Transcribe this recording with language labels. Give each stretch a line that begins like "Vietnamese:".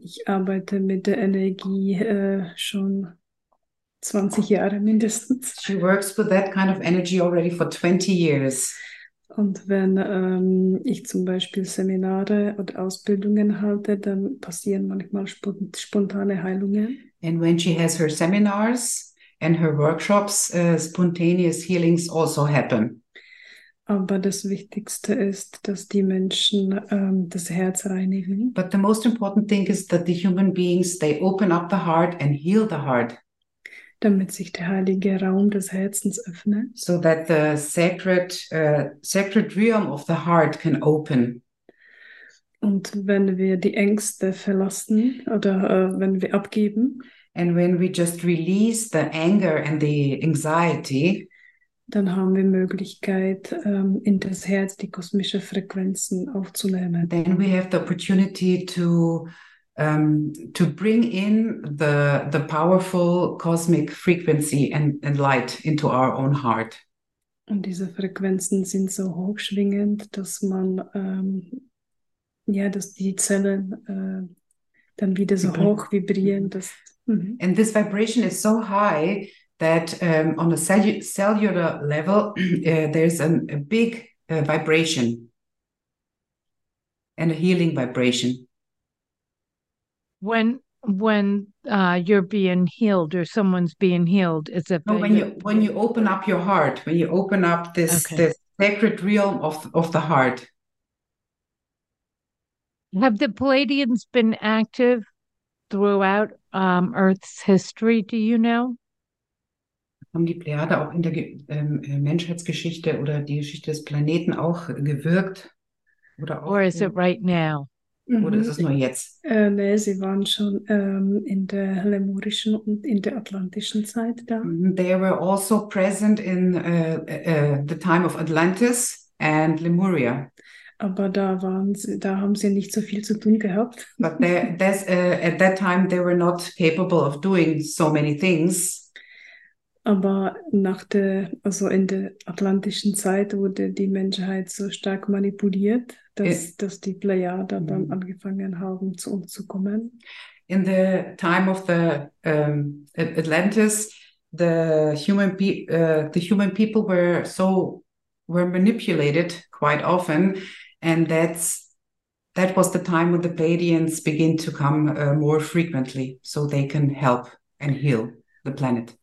German: Ich arbeite mit der Energie schon 20 Jahre mindestens.
English: She works with that kind of energy already for 20 years.
German: Und wenn ich zum Beispiel Seminare und Ausbildungen halte, dann passieren manchmal spontane Heilungen.
English: And when she has her seminars and her workshops, spontaneous healings also happen.
German: Aber das Wichtigste ist, dass die Menschen das Herz reinigen.
English: But the most important thing is that the human beings, they open up the heart and heal the heart.
German: Damit sich der heilige Raum des Herzens öffnet.
English: So that the sacred, sacred realm of the heart can open.
German: Und wenn wir die Ängste verlassen oder wenn wir abgeben.
English: And when we just release the anger and the anxiety.
German: Dann haben wir Möglichkeit, in das Herz die kosmische Frequenzen aufzunehmen.
English: Then we have the opportunity to bring in the powerful cosmic frequency and light into our own heart.
German: Und diese Frequenzen sind so hochschwingend, dass man dass die Zellen dann wieder so hoch vibrieren. Dass,
English: And this vibration is so high that on a cellular level there's a big vibration and a healing vibration. When you're being healed or someone's being healed, is it no, when you open up your heart, when you open up this sacred realm of the heart. Have the Pleiadians been active throughout Earth's history? Do you know?
German: Haben die Plejade auch in der Menschheitsgeschichte oder die Geschichte des Planeten auch gewirkt? Oder auch
English: or is it right now?
German: Oder ist es nur jetzt? Nee, sie waren schon in der lemurischen und in der atlantischen Zeit da.
English: They were also present in the time of Atlantis and Lemuria.
German: Aber da waren sie, da haben sie nicht so viel zu tun gehabt.
English: But at that time they were not capable of doing so many things.
German: Aber nach der, also in der atlantischen Zeit wurde die Menschheit so stark manipuliert, dass die Plejaden dann angefangen haben, zu uns zu kommen.
English: In the time of the Atlantis, the human people were manipulated quite often, and that was the time when the Pleiadians begin to come more frequently, so they can help and heal the planet.